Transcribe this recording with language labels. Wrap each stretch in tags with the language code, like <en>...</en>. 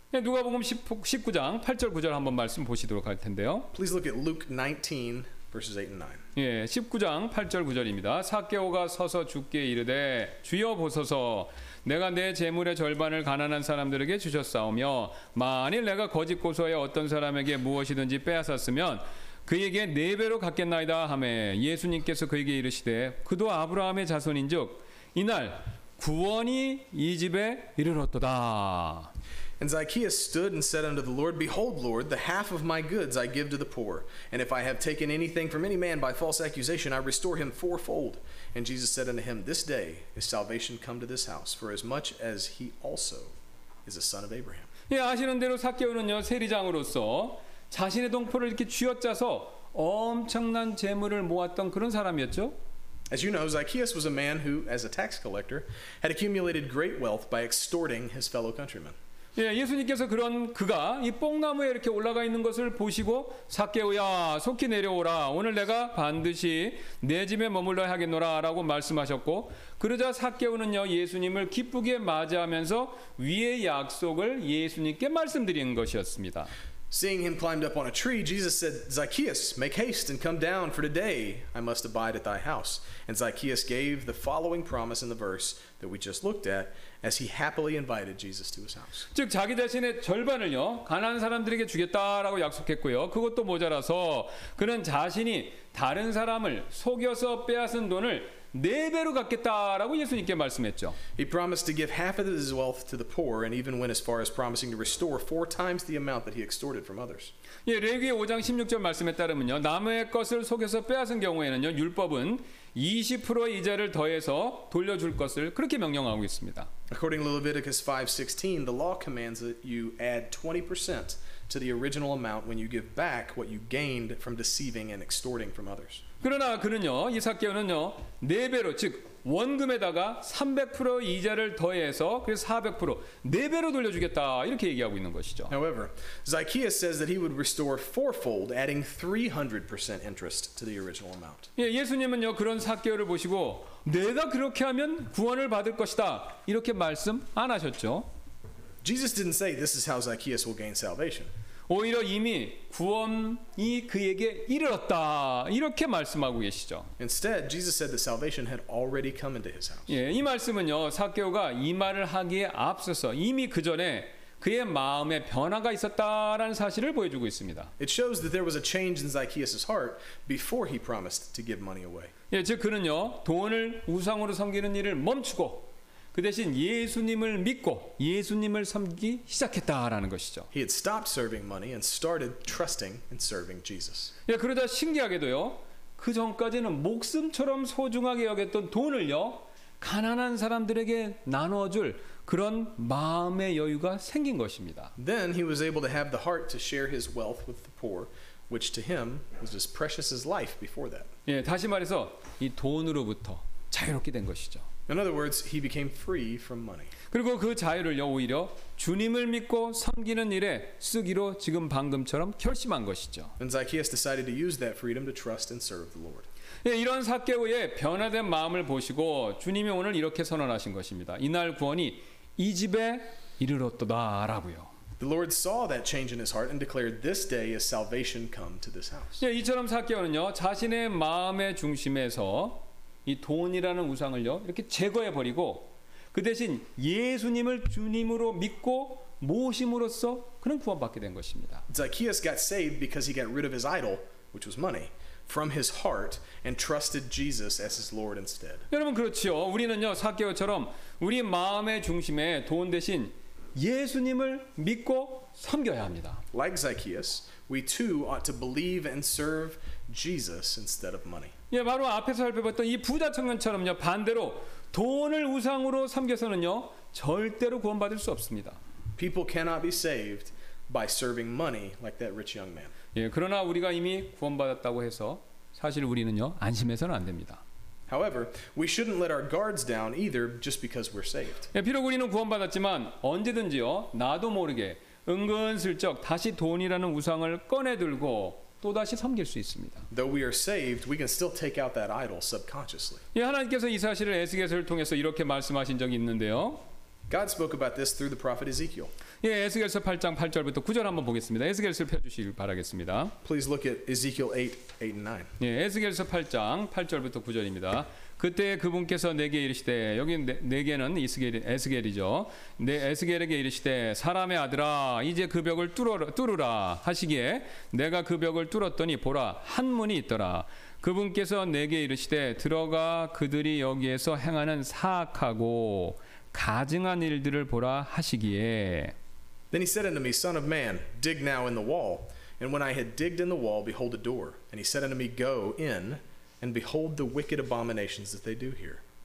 <ko>네, 누가복음 19장 8절 9절 한번 말씀 보시도록 할 텐데요.</ko> <en>Please look at Luke 19 verses 8 and 9.</en> <ko>예, 19장 8절 9절입니다. 삭개오가 서서 주께 이르되 주여 보소서 내가 내 재물의 절반을 가난한 사람들에게 주셨사오며 만일 내가 거짓 고소하여 어떤 사람에게 무엇이든지 빼앗았으면 그에게 네 배로 갚겠나이다 하매 예수님께서 그에게 이르시되 그도 아브라함의 자손인즉 이날 구원이 이 집에 이르렀도다.</ko> <en>And Zacchaeus stood and said unto the Lord, Behold, Lord, the half of my goods I give to the poor. And if I have taken anything from any man by false accusation, I restore him fourfold. And Jesus said unto him, This day is salvation come to this house, for as much as he also is a son of Abraham.</en> <ko>예, 아시는 대로 삭개오는요, 세리장으로서 자신의 동포를 이렇게 쥐어짜서 엄청난 재물을 모았던 그런 사람이었죠.</ko> <en>As you know, Zacchaeus was a man who, as a tax collector, had accumulated great wealth by extorting his fellow countrymen.</en> <ko>예, 예수님께서 그런 그가 이 뽕나무에 이렇게 올라가 있는 것을 보시고 삭개오야 속히 내려오라 오늘 내가 반드시 내 집에 머물러야 하겠노라 라고 말씀하셨고 그러자 삭개오는요 예수님을 기쁘게 맞이하면서 위의 약속을 예수님께 말씀드린 것이었습니다.</ko> <en>Seeing him climbed up on a tree, Jesus said, Zacchaeus, make haste and come down, for today I must abide at thy house. And Zacchaeus gave the following promise in the verse that we just looked at as he happily invited Jesus to his house.</en> <ko>즉 자기 자신의 절반을요 가난한 사람들에게 주겠다라고 약속했고요. 그것도 모자라서 그는 자신이 다른 사람을 속여서 빼앗은 돈을 네 배로 갚겠다라고 예수님께 말씀했죠.</ko> <en>He promised to give half of his wealth to the poor and even went as far as promising to restore four times the amount that he extorted from others.</en> <ko>예, 레위기 5장 16절 말씀에 따르면요. 남의 것을 속여서 빼앗은 경우에는요. 율법은 20%의 이자를 더해서 돌려줄 것을 그렇게 명령하고 있습니다.</ko> <en>According to Leviticus 5:16, the law commands that you add 20% to the original amount when you give back what you gained from deceiving and extorting from others.</en> <ko>그러나 그는요, 이 삭개오는요, 네 배로 즉 원금에다가 300% 이자를 더해서 그래서 400% 네 배로 돌려주겠다 이렇게 얘기하고 있는 것이죠.</ko> <en>However, Zacchaeus says that he would restore fourfold, adding 300% interest to the original amount.</en> <ko>예, 예수님은요 그런 삭개오를 보시고 내가 그렇게 하면 구원을 받을 것이다 이렇게 말씀 안 하셨죠.</ko> <en>Jesus didn't say this is how Zacchaeus will gain salvation.</en> <ko>오히려 이미 구원이 그에게 이르렀다 이렇게 말씀하고 계시죠.</ko> <en>Instead, Jesus said that salvation had already come into his house.</en> <ko>예, 이 말씀은요 삭개오가 이 말을 하기에 앞서서 이미 그 전에 그의 마음에 변화가 있었다라는 사실을 보여주고 있습니다.</ko> <en>It shows that there was a change in Zacchaeus' heart before he promised to give money away.</en> <ko>예, 즉 그는요 돈을 우상으로 섬기는 일을 멈추고 그 대신 예수님을 믿고 예수님을 섬기 시작했다라는 것이죠.</ko> <en>He had stopped serving money and started trusting and serving Jesus.</en> <ko>예, 그러자 신기하게도요. 그 전까지는 목숨처럼 소중하게 여겼던 돈을요. 가난한 사람들에게 나눠 줄 그런 마음의 여유가 생긴 것입니다.</ko> <en>Then he was able to have the heart to share his wealth with the poor, which to him was as precious as life before that.</en> <ko>예, 다시 말해서 이 돈으로부터 자유롭게 된 것이죠.</ko> <en>In other words, he became free from money.</en> <ko>그리고 그 자유를요 오히려 주님을 믿고 섬기는 일에 쓰기로 지금 방금처럼 결심한 것이죠.</ko> <en>And Zacchaeus decided to use that freedom to trust and serve the Lord.</en> <ko>예, 이런 삭개오의 변화된 마음을 보시고 주님이 오늘 이렇게 선언하신 것입니다. 이날 구원이 이 집에 이르렀도다라고요.</ko> <en>The Lord saw that change in his heart and declared, "This day is salvation come to this house."</en> <ko>예, 이처럼 삭개오는요 자신의 마음의 중심에서 이 돈이라는 우상을요 이렇게 제거해 버리고 그 대신 예수님을 주님으로 믿고 모심으로써 그는 구원받게 된 것입니다.</ko> <en>Zacchaeus got saved because he got rid of his idol, which was money, from his heart and trusted Jesus as his Lord instead.</en> <ko>여러분 그렇지요. 우리는요 삭개오처럼 우리 마음의 중심에 돈 대신 예수님을 믿고 섬겨야 합니다.</ko> <en>Like Zacchaeus, we too ought to believe and serve Jesus instead of money.</en> <ko>예, 바로 앞에서 살펴봤던 이 부자 청년처럼요. 반대로 돈을 우상으로 섬겨서는요. 절대로 구원받을 수 없습니다.</ko> <en>People cannot be saved by serving money like that rich young man.</en> <ko>예, 그러나 우리가 이미 구원받았다고 해서 사실 우리는요. 안심해서는 안 됩니다.</ko> <en>However, we shouldn't let our guards down either just because we're saved.</en> <ko>예, 비록 우리는 구원받았지만 언제든지요. 나도 모르게 은근슬쩍 다시 돈이라는 우상을 꺼내들고 또 다시 섬길 수 있습니다.</ko> <en>Though we are saved, we can still take out that idol subconsciously.</en> <ko>예, 하나님께서 이 사실을 에스겔서를 통해서 이렇게 말씀하신 적이 있는데요.</ko> <en>God spoke about this through the prophet Ezekiel.</en> <ko>예, 에스겔서 8장 8절부터 9절 한번 보겠습니다. 에스겔서를 펴 주시길 바라겠습니다.</ko> <en>Please look at Ezekiel 8, 8 and 9.</en> <ko>예, 에스겔서 8장 8절부터 9절입니다. 그때 그분께서 내게 이르시되 여기 내게는 에스겔이죠. 내 에스겔에게 이르시되 사람의 아들아 이제 그 벽을 뚫으라 하시기에 내가 그 벽을 뚫었더니 보라 한 문이 있더라. 그분께서 내게 이르시되 들어가 그들이 여기에서 행하는 사악하고 가증한 일들을 보라 하시기에.</ko> <en>Then he said unto me, Son of man, dig now in the wall. And when I had digged in the wall, behold a door. And he said unto me, Go in. And behold the wicked abominations that they do here.</en>